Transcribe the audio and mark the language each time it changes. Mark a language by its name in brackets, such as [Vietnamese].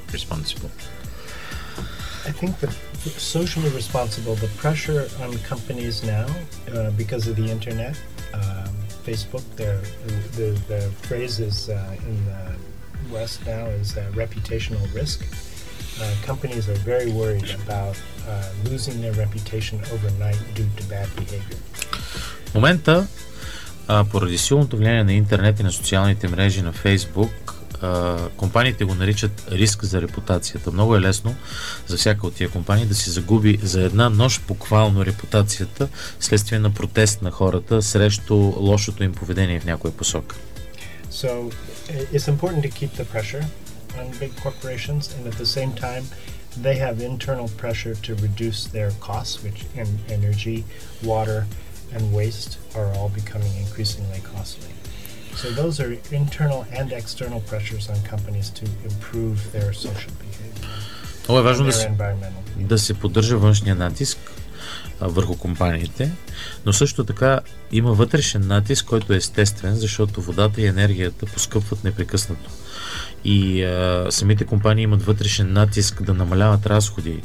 [English] I think that socially responsible, the pressure on companies now, because of the internet, Facebook, the phrase is in the West now is reputational risk. Companies are very worried about losing their reputation overnight due to bad behavior. [Bulgarian] Момента, поради силното влияние на интернет и на социалните мрежи на Facebook, компаниите го наричат риск за репутацията. Много е лесно за всяка от тия компании да си загуби за една нощ буквално репутацията вследствие на протест на хората срещу лошото им поведение в някоя посока. [English] So it's important to keep the pressure on big corporations, and at the same time they have internal pressure to reduce their costs, which in energy, water and waste are all becoming increasingly costly. So those are internal and external pressures on companies to improve their social behavior. [Bulgarian] Е важно да се поддържа външния натиск върху компаниите, но също така има вътрешен натиск, който е естествен, защото водата и енергията поскъпват непрекъснато. И самите компании имат вътрешен натиск да намаляват разходи.